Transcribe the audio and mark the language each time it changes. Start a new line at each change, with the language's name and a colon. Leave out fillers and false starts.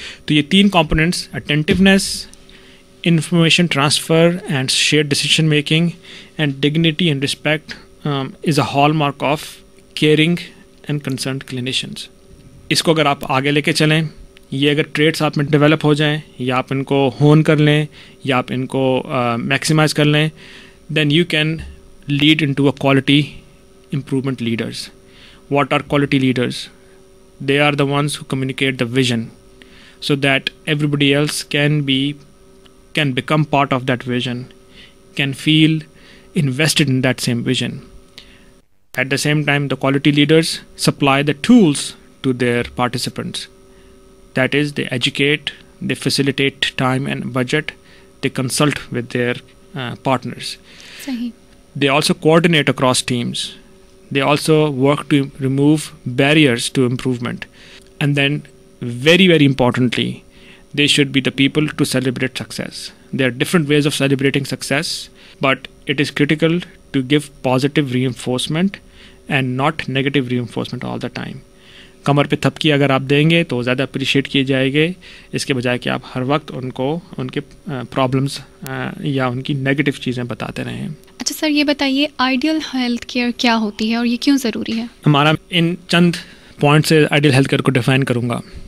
Urdu: تو یہ تین
English: Components, attentiveness, information transfer and share decision making and dignity and respect is a hallmark of caring and concerned clinicians.
Urdu: اس کو اگر آپ آگے لے کے چلیں, یہ اگر ٹریٹس آپ میں ڈیولپ ہو جائیں یا آپ ان کو ہون کر لیں یا آپ ان کو میکسیمائز کر لیں,
English: Then you can lead in to a quality improvement leaders. What are quality leaders? They are the ones who communicate the vision so that everybody else can become part of that vision, can feel invested in that same vision. At the same time the quality leaders supply the tools to their participants. That is, they educate, they facilitate time and budget, they consult with their partners.
Urdu: Sahi.
English: They also coordinate across teams. They also work to remove barriers to improvement. And then, very, very importantly, they should be the people to celebrate success. There are different ways of celebrating success, but it is critical to give positive reinforcement and not negative reinforcement all the time.
Urdu: کمر پہ تھپکی اگر آپ دیں گے تو زیادہ appreciate کیے جائے گے, اس کے بجائے کہ آپ ہر وقت ان کو ان کے پرابلمس یا ان کی نیگیٹو چیزیں بتاتے رہیں. اچھا سر, یہ بتائیے آئیڈیل ہیلتھ کیئر کیا ہوتی ہے اور یہ کیوں ضروری ہے؟ ہمارا ان چند پوائنٹ سے آئیڈیل ہیلتھ کیئر کو ڈیفائن کروں گا.